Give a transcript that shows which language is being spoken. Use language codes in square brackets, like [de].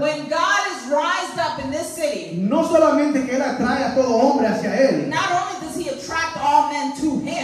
[en] When God is raised up in this city. [es] No solamente que él atrae a todo hombre hacia él. [en] Not only does he attract all men to him.